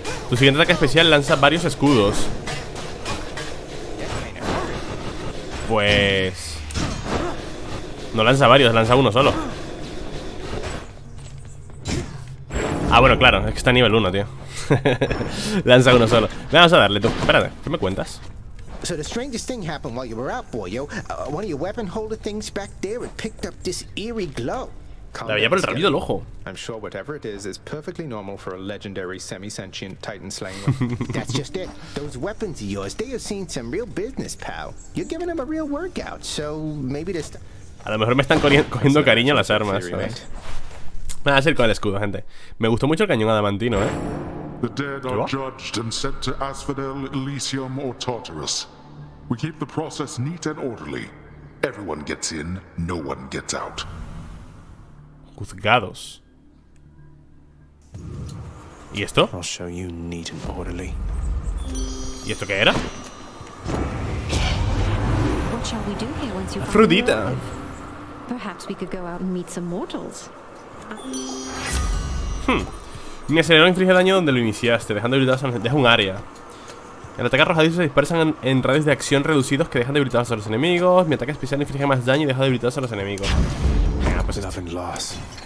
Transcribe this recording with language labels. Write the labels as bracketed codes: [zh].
[es] Tu siguiente ataque especial lanza varios escudos. Pues... no lanza varios, lanza uno solo. Ah, bueno, claro, es que está a nivel 1, tío. Lanza uno solo. Vamos a darle, tú. Espérate, ¿qué me cuentas? [en] So the strangest thing happened while you were out, boyo. One of your weapon holder things back there, it picked up this eerie glow. [es] La veía por el rabillo del ojo. [en] I'm sure whatever it is perfectly normal for a legendary semi-sentient titan slayer. That's just it. Those weapons of yours, they have seen some real business, pal. You're giving them a real workout, so maybe this. [es] A lo mejor me están cogiendo cariño las armas. Me va a hacer con el escudo, gente. Me gustó mucho el cañón adamantino, ¿eh? [en] The dead are judged and sent to Asphodel, Elysium, or Tartarus. We keep the process neat and orderly. Everyone gets in, no one gets out. [es] Juzgados. ¿Y esto? [en] I'll show you neat and orderly. [es] ¿Y esto qué era? [en] What shall we do here once you find Frudita? Perhaps we could go out and meet some mortals. [es] Mi acelerador inflige daño donde lo iniciaste, dejando debilitados a los... deja un área. El ataque arrojadizo se dispersan en radios de acción reducidos que dejan debilitados a los enemigos. Mi ataque especial inflige más daño y deja debilitados a los enemigos. Venga, pues este.